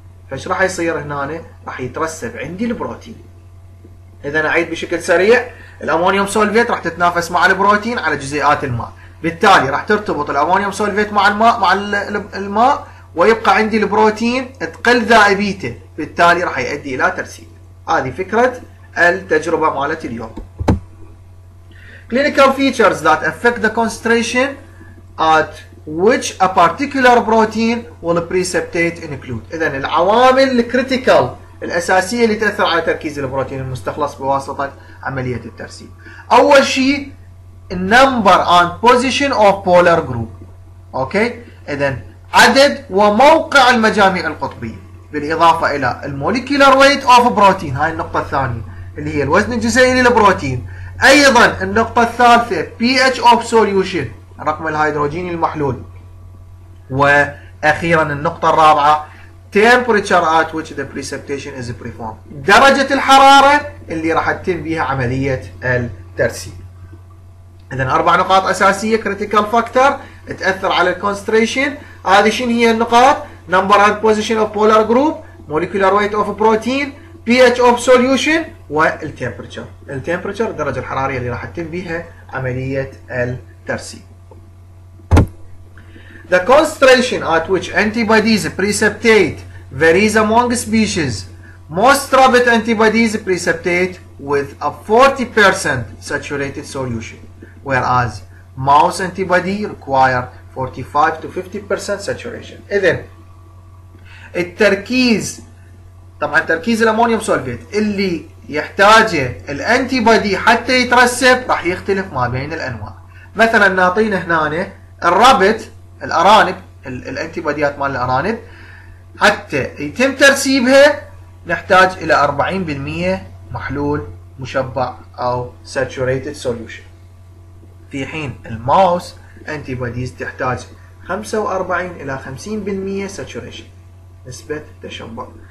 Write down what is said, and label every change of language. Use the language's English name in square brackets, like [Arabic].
[Arabic] فش راح يصير هنا؟ راح يترسب عندي البروتين. إذا أعيد بشكل سريع، الأمونيوم سولفيت راح تتنافس مع البروتين على جزيئات الماء، بالتالي راح ترتبط الأمونيوم سولفيت مع الماء ويبقى عندي البروتين، تقل ذائبيته، بالتالي راح يؤدي إلى ترسيب. هذه فكرة التجربة مالت اليوم. [English] Clinical features that affect the concentration at which a particular protein will precipitate include. [Arabic] إذا العوامل الكريتيكال الأساسية اللي تأثر على تركيز البروتين المستخلص بواسطة عملية الترسيب. أول شيء [English] number and position of polar group. [Arabic] أوكي؟ إذن عدد وموقع المجاميع القطبية بالإضافة إلى [English] molecular weight of protein، [Arabic] هاي النقطة الثانية اللي هي الوزن الجزيئي للبروتين. أيضا النقطة الثالثة [English] pH of solution، [Arabic] رقم الهيدروجين المحلول. وأخيرا النقطة الرابعة [English] temperature at which the precipitation is performed، [Arabic] درجة الحرارة اللي راح تتم بها عملية الترسيب. إذا أربع نقاط أساسية [English] critical factor [Arabic] تأثر على concentration. هذه شنو هي النقاط؟ [English] number and position of polar group، molecular weight of protein، pH of solution، والtemperature. [Arabic] التemperature درجة الحرارة اللي راح تتم بها عملية الترسيب. [English] The concentration at which antibodies precipitate varies among species. Most rabbit antibodies precipitate with a 40% saturated solution, whereas mouse antibody require 45 to 50% saturation. [Arabic] إذن التركيز، طبعا تركيز الأمونيوم سولفيت اللي يحتاجه الأنتيبادي حتى يترسب راح يختلف ما بين الأنواع. مثلا نعطينا هنا الرابت الأرانب، الأنتيباديات مال الأرانب حتى يتم ترسيبها نحتاج إلى 40% محلول مشبع أو [English] saturated solution، [Arabic] في حين الماوس أنتيباديز تحتاج 45 إلى 50% saturation نسبة تشبع.